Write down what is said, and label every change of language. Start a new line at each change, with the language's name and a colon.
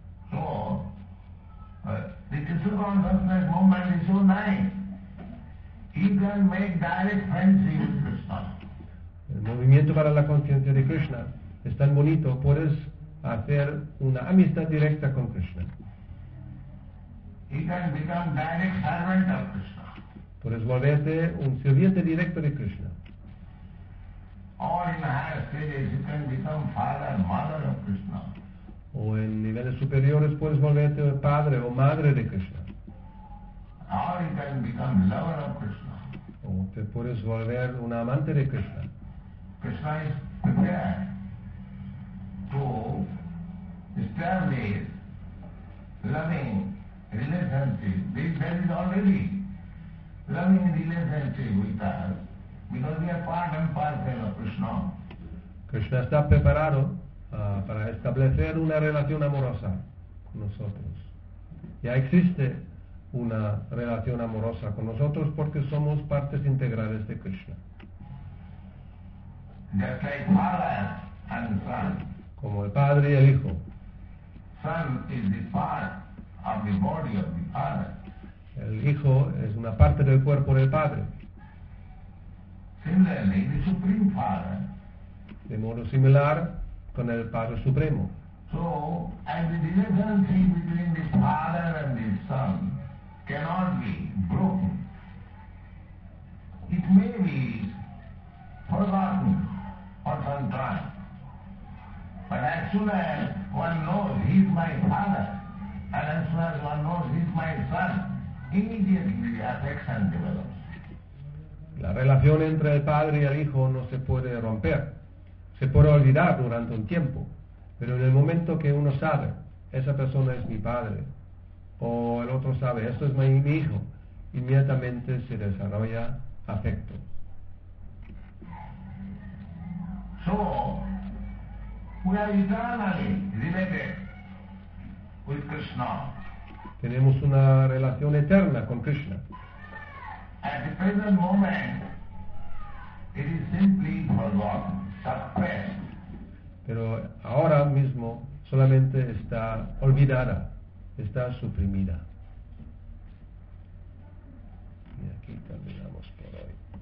English: So, the Krishna consciousness movement is so nice. You can make direct friendship with Krishna.
Spanish: El movimiento para la conciencia de Krishna es tan bonito, puedes hacer una amistad directa con Krishna.
English: He can become direct servant of Krishna.
Spanish: Puedes volverte un sirviente directo de Krishna.
English: Or in higher stages, you can become father and mother of Krishna.
Spanish: O en niveles superiores, puedes volverte padre o madre de Krishna.
English: Or you can become lover of Krishna.
Spanish: O te puedes volver un amante de Krishna.
English: Krishna is prepared to establish loving relationship. There is already loving relationship with us because we are part and parcel of Krishna.
Spanish: Krishna está preparado para establecer una relación amorosa con nosotros. Ya existe una relación amorosa con nosotros porque somos partes integrales de Krishna.
English: Just like father and son.
Spanish: Como el padre y el hijo.
English: Son is the part of the body of the father.
Spanish: El hijo es una parte del cuerpo del padre.
English: Similarly, the supreme father.
Spanish: De modo similar con el padre supremo.
English: So, as the relationship between the father and the son cannot be broken, it may be forgotten for some time. But as soon as one knows he is my father, and as soon as one knows he is my son, immediately the affection develops.
Spanish: La relación entre el padre y el hijo no se puede romper. Se puede olvidar durante un tiempo, pero en el momento que uno sabe, esa persona es mi padre, o el otro sabe, esto es mi hijo, inmediatamente se desarrolla afecto.
English: So, we are eternally related with Krishna.
Spanish: Tenemos una relación eterna con Krishna.
English: At the present moment, it is simply forgotten.
Spanish: Pero ahora mismo solamente está olvidada, está suprimida. Y aquí terminamos por hoy.